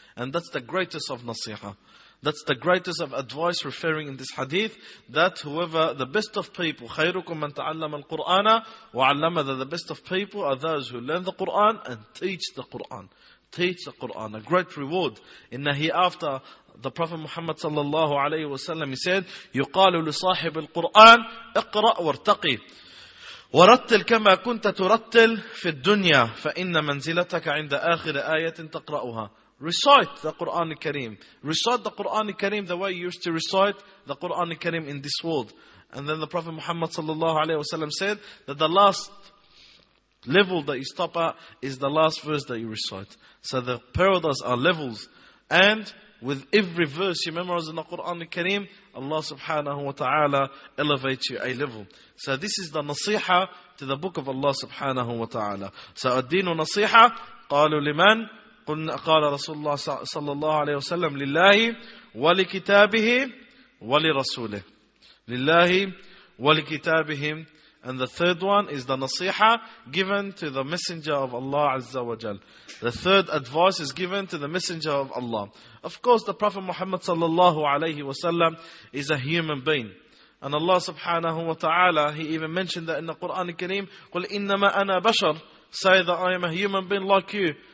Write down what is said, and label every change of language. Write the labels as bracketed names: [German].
[English] And that's the greatest of nasiha. That's the greatest of advice referring in this hadith, that whoever, the best of people, [Arabic] خَيْرُكُمْ مَنْ تَعَلَّمَ الْقُرْآنَ وَعَلَّمَ, [English] that the best of people are those who learn the Qur'an and teach the Qur'an. Teach the Qur'an, a great reward. [Arabic] إِنَّ [English] hereafter, the Prophet Muhammad sallallahu alayhi wa sallam, he said, [Arabic] يُقَالُ لِصَاحِبِ الْقُرْآنِ اقْرَأْ وَارْتَقِي وَرَتِّلْ كَمَا كُنْتَ تُرَتِّلْ فِي الدُّنْيَا فَإِنَّ مَنْزِلَتَكَ عِنْدَ آخِرِ آيَةٍ تَقْرَأُهَا. [English] Recite the Qur'an al-Kareem. Recite the Qur'an al-Kareem the way you used to recite the Qur'an al-Kareem in this world. And then the Prophet Muhammad sallallahu alayhi wa sallam said that the last level that you stop at is the last verse that you recite. So the parodas are levels. And with every verse you memorize in the Qur'an al-Kareem, Allah subhanahu wa ta'ala elevates you a level. So this is the nasiha to the book of Allah subhanahu wa ta'ala. [Arabic] So ad-deenu nasiha, qalu liman, قال رسول الله صلى الله عليه وسلم لله ولكتابه ولرسوله لله ولكتابه. [English] And the third one is the nasiha given to the messenger of Allah Azza wa Jal. The third advice is given to the messenger of Allah. Of course, the Prophet Muhammad صلى الله عليه وسلم is a human being. And Allah subhanahu wa ta'ala, he even mentioned that in the Quran al-Kareem, [Arabic] قل إنما أنا بشر, [English] say that I am a human being like you.